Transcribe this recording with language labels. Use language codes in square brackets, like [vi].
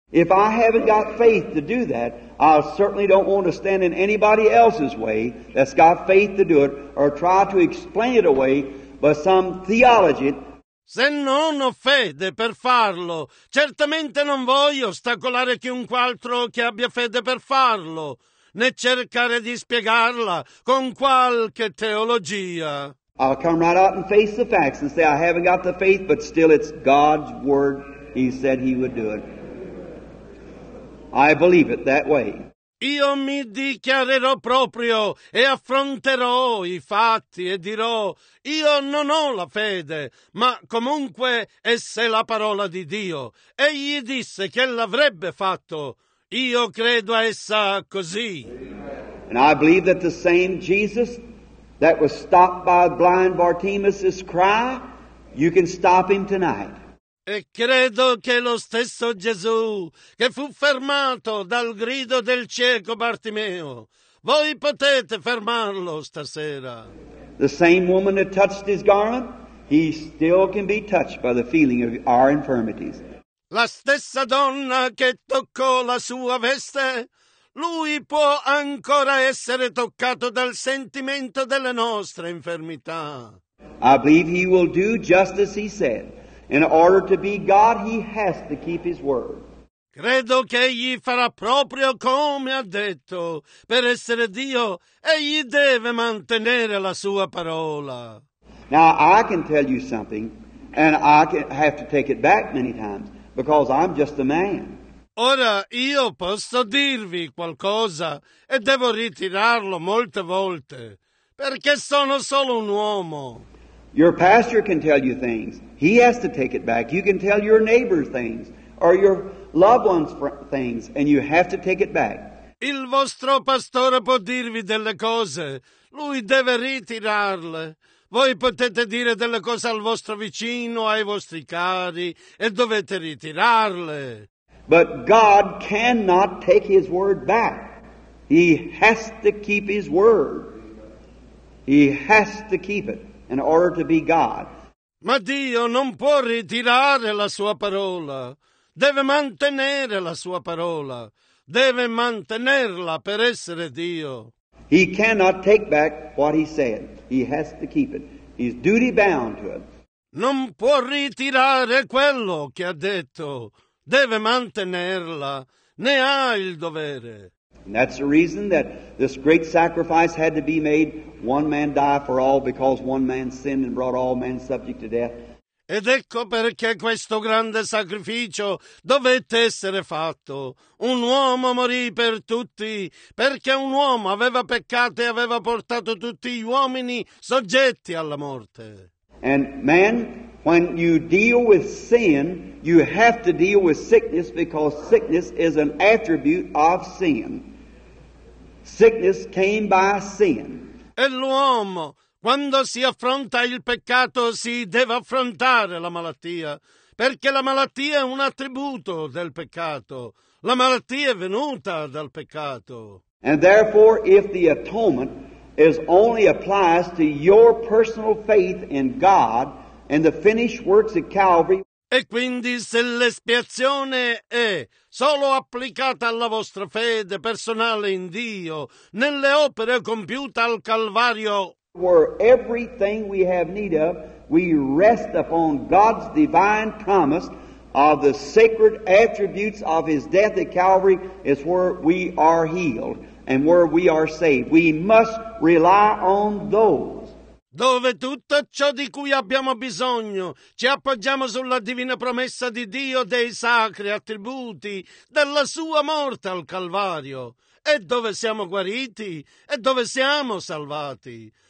[en] If I haven't got faith to do that, I certainly don't want to stand in anybody else's way that's got faith to do it or try to explain it away. But some theology. [it] Se non ho fede per farlo, certamente non voglio ostacolare chiunque altro che abbia fede per farlo, né cercare di spiegarla con qualche teologia. [en] I'll come right out and face the facts and say I haven't got the faith, but still it's God's word. He said he would do it. I believe it that way. [it] Io mi dichiarerò proprio e affronterò i fatti e dirò, io non ho la fede, ma comunque essa è la parola di Dio. Egli disse che l'avrebbe fatto. Io credo a essa così. [en] And I believe that the same Jesus that was stopped by blind Bartimaeus's cry, you can stop him tonight. [it] E credo che lo stesso Gesù, che fu fermato dal grido del cieco Bartimeo, voi potete fermarlo stasera. [en] The same woman that touched his garment, he still can be touched by the feeling of our infirmities. [it] La stessa donna che toccò la sua veste, lui può ancora essere toccato dal sentimento delle nostre infermità. [en] I believe he will do just as he said. In order to be God, he has to keep his word. [it] Credo che egli farà proprio come ha detto. Per essere Dio, egli deve mantenere la sua parola. [en] Now, I can tell you something, and I have to take it back many times, because I'm just a man. [it] Ora, io posso dirvi qualcosa, e devo ritirarlo molte volte, perché sono solo un uomo. [en] Your pastor can tell you things. He has to take it back. You can tell your neighbor things or your loved ones things, and you have to take it back. [it] Il vostro pastore può dirvi delle cose. Lui deve ritirarle. Voi potete dire delle cose al vostro vicino, ai vostri cari, e dovete ritirarle. [en] But God cannot take his word back. He has to keep his word. He has to keep it in order to be God. [it] Ma Dio non può ritirare la sua parola. Deve mantenere la sua parola. Deve mantenerla per essere Dio. [en] He cannot take back what he said. He has to keep it. He's duty bound to it. [it] Non può ritirare quello che ha detto. Deve mantenerla. Ne ha il dovere. [en] And that's the reason that this great sacrifice had to be made. One man died for all because one man sinned and brought all men subject to death. [it] Ed ecco perché questo grande sacrificio dovette essere fatto. Un uomo morì per tutti, perché un uomo aveva peccato e aveva portato tutti gli uomini soggetti alla morte. [en] And man, when you deal with sin, you have to deal with sickness, because sickness is an attribute of sin. Sickness came by sin. [it] E l'uomo, quando si affronta il peccato, si deve affrontare la malattia, perché la malattia è un attributo del peccato. La malattia è venuta dal peccato. [en] And therefore, if the atonement is only applies to your personal faith in God and the finished works at Calvary. [it] E quindi se l'espiazione è solo applicata alla vostra fede personale in Dio, nelle opere compiute al Calvario, [en] where everything we have need of, we rest upon God's divine promise of the sacred attributes of His death at Calvary, is where we are healed and where we are saved. We must rely on those. [it] Dove tutto ciò di cui abbiamo bisogno, ci appoggiamo sulla divina promessa di Dio dei sacri attributi della sua morte al Calvario, e dove siamo guariti e dove siamo salvati.